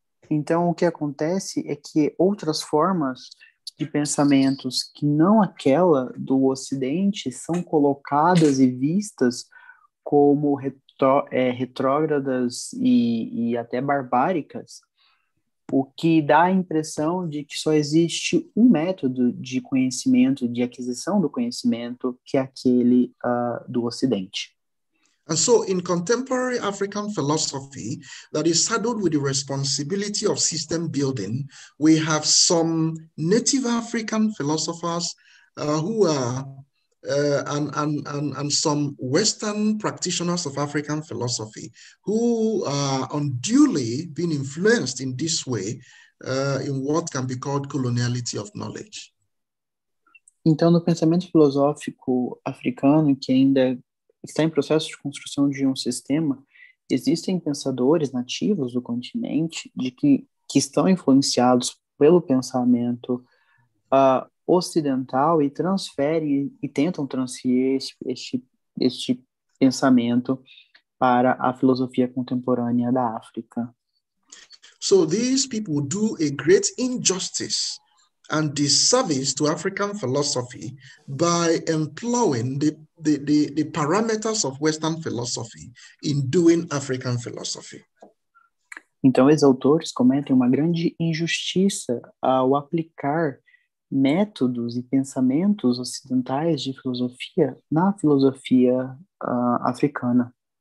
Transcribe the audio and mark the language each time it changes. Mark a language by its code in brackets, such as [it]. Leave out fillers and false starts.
[pt] Então, o que acontece é que outras formas de pensamentos que não aquela do Ocidente são colocadas e vistas como retrógradas e até barbáricas, o que dá a impressão de que só existe um método de conhecimento, de aquisição do conhecimento, que é aquele do Ocidente. [en] And so, in contemporary African philosophy that is saddled with the responsibility of system building, we have some native African philosophers who are and some Western practitioners of African philosophy who are unduly being influenced in this way in what can be called coloniality of knowledge. [pt] Então, no pensamento filosófico africano, que ainda está em processo de construção de um sistema, existem pensadores nativos do continente de que estão influenciados pelo pensamento ocidental e transferem e tentam transferir este pensamento para a filosofia contemporânea da África. [en] So these people do a great injustice and disservice to African philosophy by employing the parameters of Western philosophy in doing African philosophy. [pt] Então, esses autores cometem uma grande injustiça ao aplicar métodos e pensamentos ocidentais de filosofia na filosofia africana.